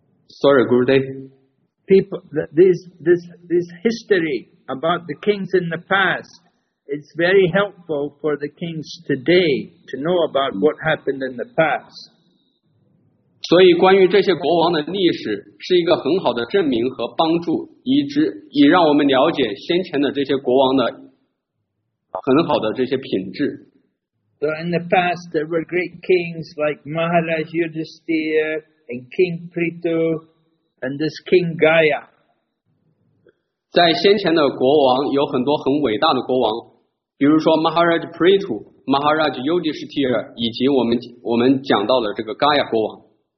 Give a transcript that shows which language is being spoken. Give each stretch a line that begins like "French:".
English: Sorry, Gurudev. People, this history about the kings in the past it's very helpful for the kings today to know about what happened in the past.
Chinese: 所以关于这些国王的历史是一个很好的证明和帮助，以让我们了解先前的这些国王的很好的这些品质。
English: So in the past, there were great kings like Maharaj Yudhisthira and King Prithu and this King Gaya.
Chinese: 在先前的国王有很多很伟大的国王，比如说 Maharaj Prithu, Maharaj Yudhisthira 以及我们讲到的这个 Gaya 国王。